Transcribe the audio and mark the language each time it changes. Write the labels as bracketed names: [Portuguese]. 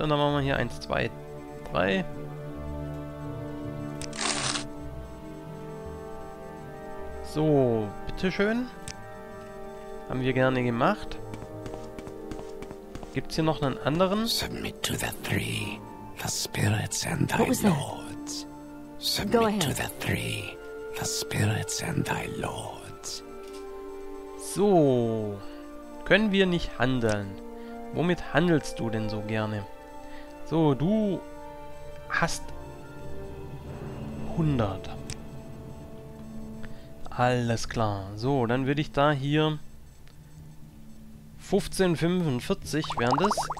[German] Und dann machen wir hier 1, 2, 3. So, bitteschön. Haben wir gerne gemacht. Gibt's hier noch einen anderen? [English] Submit to the three. The spirits and thy lords. Submit to the three. The spirits and thy lords. [German] So. Können wir nicht handeln? Womit handelst du denn so gerne? So, du hast 100. Alles klar. So, dann würde ich da hier 1545 wären das.